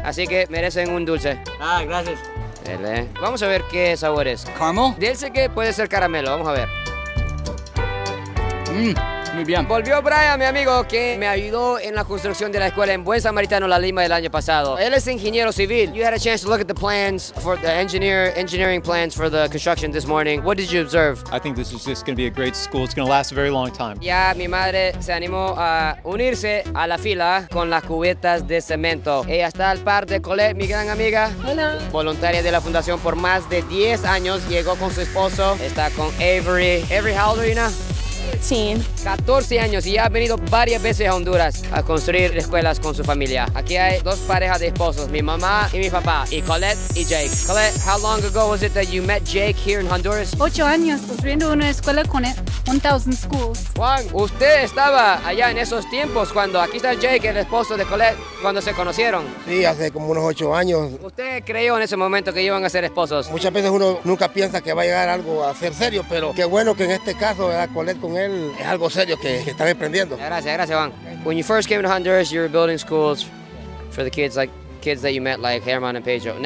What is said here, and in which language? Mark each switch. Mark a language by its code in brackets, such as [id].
[es] Así que merecen un dulce. Ah, gracias. Dele. Vamos a ver qué sabor es. ¿Caramel? Dice que puede ser caramelo. Vamos a ver. Muy bien. Volvió Brian, mi amigo, que me ayudó en la construcción de la escuela en Buen Samaritano, La Lima, el año pasado. Él es ingeniero civil. [en] You had a chance to look at the plans for the engineering plans for the construction this morning. What did you observe? I think this is just going to be a great school. It's going to last a very long time. [es] Ya, mi madre se animó a unirse a la fila con las cubetas de cemento. Ella está al par de Colette, mi gran amiga. Hola. Voluntaria de la fundación por más de 10 años. Llegó con su esposo. Está con Avery. [en] Avery, how old are you now? [es] 14 años y ya ha venido varias veces a Honduras a construir escuelas con su familia. Aquí hay dos parejas de esposos, mi mamá y mi papá, y Colette y Jake. [en] Colette, how long ago was it that you met Jake here in Honduras? [es] 8 años, construyendo una escuela con 1,000 schools. Juan, usted estaba allá en esos tiempos cuando, aquí está Jake, el esposo de Colette, cuando se conocieron. Sí, hace como unos 8 años. ¿Usted creyó en ese momento que iban a ser esposos? Muchas veces uno nunca piensa que va a llegar algo a ser serio, pero qué bueno que en este caso, ¿verdad? Colette con él es algo serio que están emprendiendo. Gracias, gracias, Juan. [en] When you first came to Honduras, you were building schools for the kids, like kids that you met, like Herman and Pedro.